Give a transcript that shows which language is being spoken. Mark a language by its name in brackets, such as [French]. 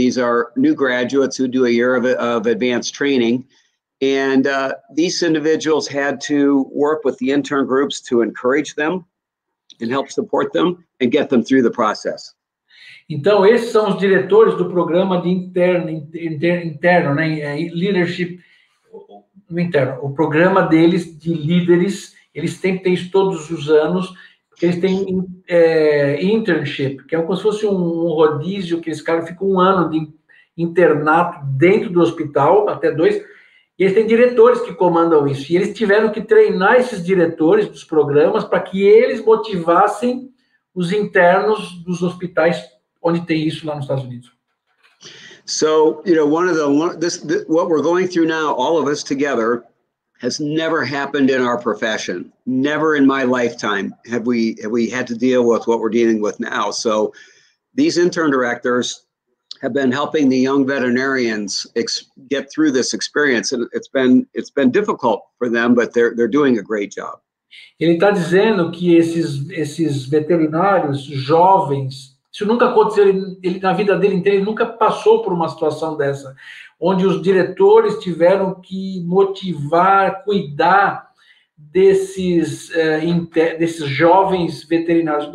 [English] These are new graduates who do a year of advanced training. And these individuals had to work with the intern groups to encourage them and help support them and get them through the process. [Portuguese] Então, esses são os diretores do programa de interno, né? Leadership, não interno, o programa deles de líderes, eles têm que ter isso todos os anos. Eles têm internship, que é como se fosse um rodízio, que esse cara fica um ano de internato dentro do hospital, até dois, e eles têm diretores que comandam isso. E eles tiveram que treinar esses diretores dos programas para que eles motivassem os internos dos hospitais onde tem isso lá nos Estados Unidos. [English] So, you know, one of the, this, the, what we're going through now, all of us together, has never happened in our profession. Never in my lifetime have we had to deal with what we're dealing with now. So these intern directors have been helping the young veterinarians get through this experience. And it's been difficult for them, but they're doing a great job. [Portuguese] Ele está dizendo que esses veterinários jovens, isso nunca aconteceu, ele na vida dele inteira, ele nunca passou por uma situação dessa, onde os diretores tiveram que motivar, cuidar desses jovens veterinários.